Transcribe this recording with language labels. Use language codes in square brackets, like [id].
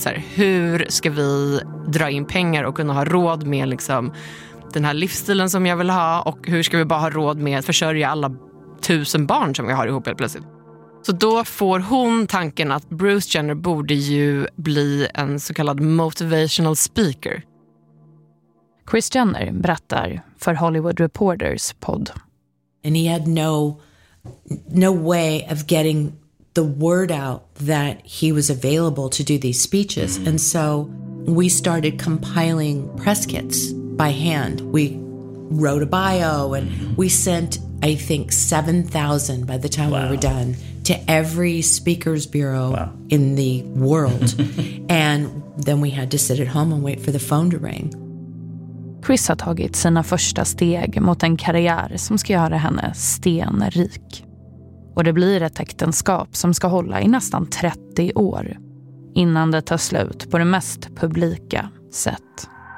[sv] Så här, hur ska vi dra in pengar och kunna ha råd med liksom den här livsstilen som jag vill ha, och hur ska vi bara ha råd med att försörja alla 1000 barn som vi har ihop helt plötsligt? Så då får hon tanken att Bruce Jenner borde ju bli en så kallad motivational speaker. Chris Jenner berättar för Hollywood Reporters podd. [en] And he had no way of getting the word out that he was available to do these speeches. And so we started compiling press kits by hand. We wrote a bio and we sent, I think, 7,000 by the time we were done to every speaker's bureau in the world. And then we had to sit at home and wait for the phone to ring. [sv] Chris har tagit sina första steg mot en karriär som ska göra henne stenrik. Och det blir ett äktenskap som ska hålla i nästan 30 år innan det tar slut på det mest publika sätt.